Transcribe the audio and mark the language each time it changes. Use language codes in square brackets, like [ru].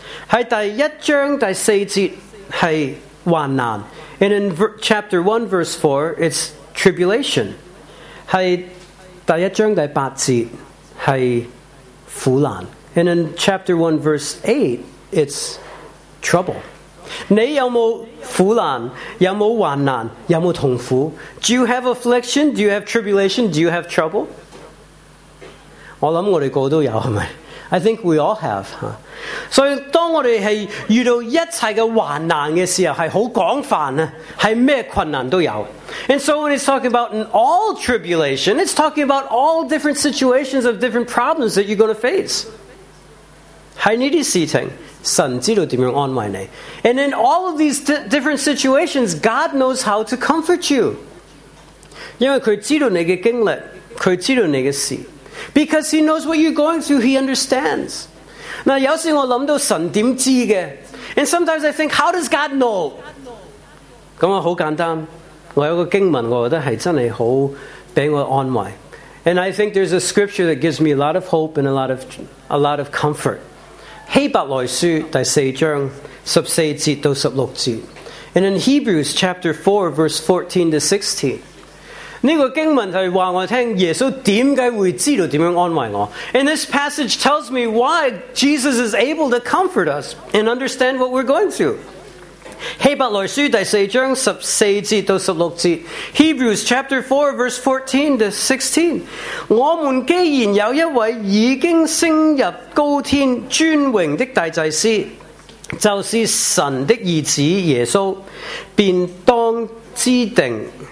[zh] 在第一章第四节是患难。 [en] And in chapter 1 verse 4, it's tribulation. [zh] 在第一章第八节是苦难。 [en] And in chapter 1 verse 8, it's trouble. [zh] 你有没有苦难？有没有患难？有没有痛苦？ [en] Do you have affliction? Do you have tribulation? Do you have trouble? [zh] 我想我们个都有，是吗？ [en] I think we all have. [zh] 所以当我们是遇到一切的患难的时候，是很广泛，是什么困难都有。 [en] And so when it's talking about an all tribulation, it's talking about all different situations of different problems that you're going to face. [zh] 在你的事情，神知道怎样安慰你。 [en] And in all of these different situations, God knows how to comfort you. [zh] 因为他知道你的经历，他知道你的事。 [en] Because he knows what you're going through, he understands. [zh] 那有时我想到神怎么知道。 [en] And sometimes I think, how does God know? [zh] 那我很简单。我有个经文我觉得是真的很给我安慰。 [en] And I think there's a scripture that gives me a lot of hope and a lot of comfort. [zh] 希伯来书第四章十四节到十六节。 [en] And in Hebrews chapter 4 verse 14 to 16. [zh] 这个经文就是告诉我耶稣为什么会知道怎样安慰我。 [en] And this passage tells me why Jesus is able to comfort us and understand what we're going through. [zh] 希伯来书第四章十四节到十六节。 [en] Hebrews chapter 4 verse 14 to 16. [zh] 我们既然有一位已经升入高天尊荣的大祭司，就是神的儿子耶稣，便当知定